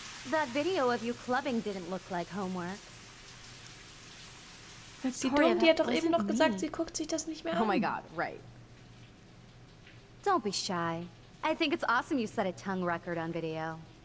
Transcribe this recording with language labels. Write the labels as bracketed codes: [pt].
[en] That video of you clubbing didn't look like homework. [de] Victoria, die hat doch eben noch gesagt, sie guckt sich das nicht mehr an. [en] Oh my god, right. Don't be shy. I think it's awesome you set a tongue record on video.